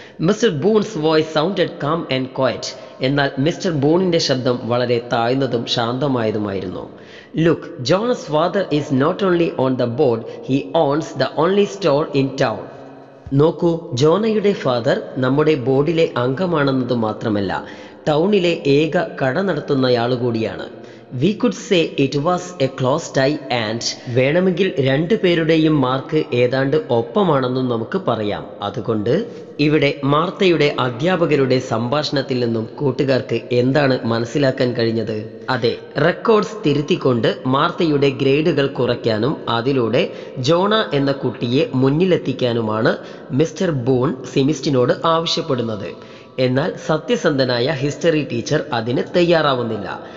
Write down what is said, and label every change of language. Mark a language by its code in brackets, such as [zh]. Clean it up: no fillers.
[en] mister Boone's voice sounded calm and quiet, [ml] എന്നാൽ mister ബൂണിൻ്റെ ശബ്ദം വളരെ താഴ്ന്നതും ശാന്തമായതുമായിരുന്നു. [en] Look, John's father is not only on the board, he owns the only store in town. [ml] നോക്കൂ, ജോണയുടെ father നമ്മുടെ ബോർഡിലെ അംഗമാണെന്നത് മാത്രമല്ല, ടൗണിലെ ഏക കട നടത്തുന്നയാളുകൂടിയാണ്. [en] We could say it was a close tie and [ml] വേണമെങ്കിൽ രണ്ടു പേരുടെയും മാർക്ക് ഏതാണ്ട് ഒപ്പമാണെന്നും നമുക്ക് പറയാം. അതുകൊണ്ട് ഇവിടെ മാർത്തയുടെ അധ്യാപകരുടെ സംഭാഷണത്തിൽ നിന്നും കൂട്ടുകാർക്ക് എന്താണ് മനസ്സിലാക്കാൻ കഴിഞ്ഞത്? അതെ, റെക്കോർഡ്സ് തിരുത്തിക്കൊണ്ട് മാർത്തയുടെ ഗ്രേഡുകൾ കുറയ്ക്കാനും അതിലൂടെ ജോണ എന്ന കുട്ടിയെ മുന്നിലെത്തിക്കാനുമാണ് മിസ്റ്റർ ബൂൺ സിമിസ്റ്റിനോട് ആവശ്യപ്പെടുന്നത്. എന്നാൽ സത്യസന്ധനായ ഹിസ്റ്ററി ടീച്ചർ അതിന് തയ്യാറാവുന്നില്ല.